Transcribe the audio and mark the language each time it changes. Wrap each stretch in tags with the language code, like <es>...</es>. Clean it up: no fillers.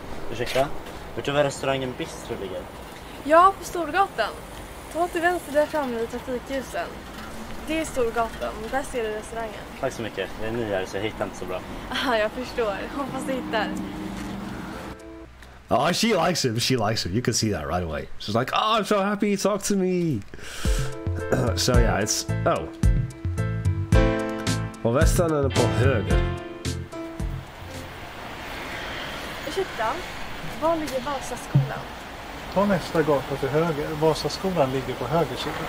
<sv>Ursäkta, vet du var restaurangen Bistro ligger? Ja, på Storgatan. Ta till vänster där framme vid trafikljusen. Det är Storgatan, där ser du restaurangen. Tack så mycket, det är ny här så jag hittar inte så bra. Ah, jag förstår, hoppas du hittar.</sv> <en>Oh, she likes him, she likes him. You can see that right away. She's like, oh, I'm so happy, talk to me. So yeah, it's, oh.</en> <sv>På västern eller på höger? Ursäkta, var ligger Vasaskolan? Ta nästa gata till höger. Vasaskolan ligger på höger sida.</sv>